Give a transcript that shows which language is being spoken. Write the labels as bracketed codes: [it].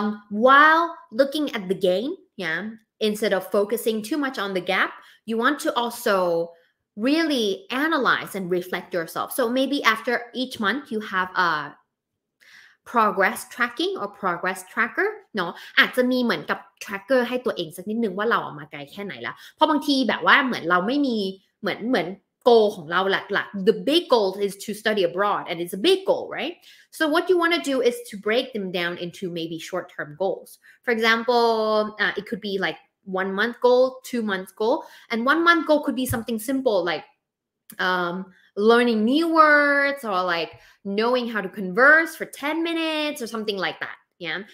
[en] While looking at the gain, yeah. Instead of focusing too much on the gap, you want to also really analyze and reflect yourself. So maybe after each month, you have a progress tracking or progress tracker. [th] No, อาจจะมีเหมือนกับ tracker ให้ตัวเองสักนิดนึงว่าเราออกมาไกลแค่ไหนละเพราะบางทีแบบว่าเหมือนเราไม่มีเหมือน goal ของเราหลักๆ [en] the big goal is to study abroad and it's a big goal, right? So what you want to do is to break them down into maybe short term goals. For example, it could be like 1 month goal, 2 month goal, and 1 month goal could be something simple like learning new words or like knowing how to converse for 10 minutes or something like that. Yeah.